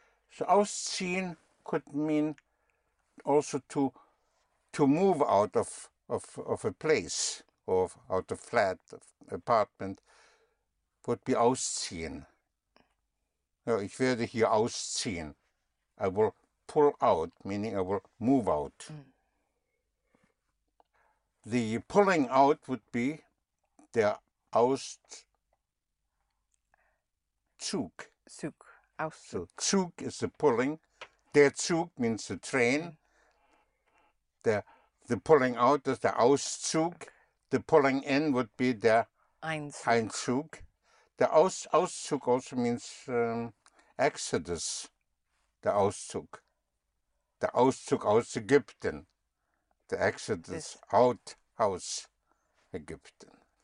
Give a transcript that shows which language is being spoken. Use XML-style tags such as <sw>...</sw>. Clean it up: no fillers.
<en>So ausziehen could mean also to move out of a place or out of flat of apartment would be ausziehen.</en> <de>Ja, ich werde hier ausziehen.</de> <en>I will pull out, meaning I will move out. The pulling out would be der Auszug. Zug. Auszug. So Zug is the pulling. Der Zug means the train. The pulling out is der Auszug. The pulling in would be der Einzug. The Auszug also means exodus.</en> <de>Der Auszug. Der Auszug aus Ägypten.</de> <en>The exodus out aus Ägypten.</en>